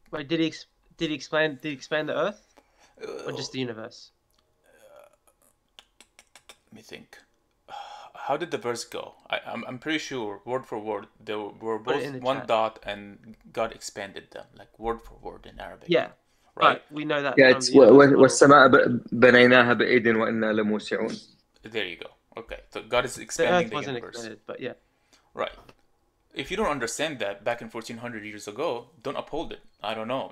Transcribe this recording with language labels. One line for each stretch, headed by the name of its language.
English: wait, did he expand the earth or just the universe? Let me think. How did the verse go? I'm pretty sure, word for word, they were both one dot and God expanded them, like word for word in Arabic. Yeah. right? We know that. Yeah, it's
Arabic: وَالسَّمَاءَ بَنَيْنَاهَا بِأَيْدٍ وَإِنَّا لَمُوسِعُونَ.
English: There you go. Okay, so God is expanding the universe. The earth wasn't expanded, but yeah. Right. If you don't understand that back in 1400 years ago, don't uphold it. I don't know.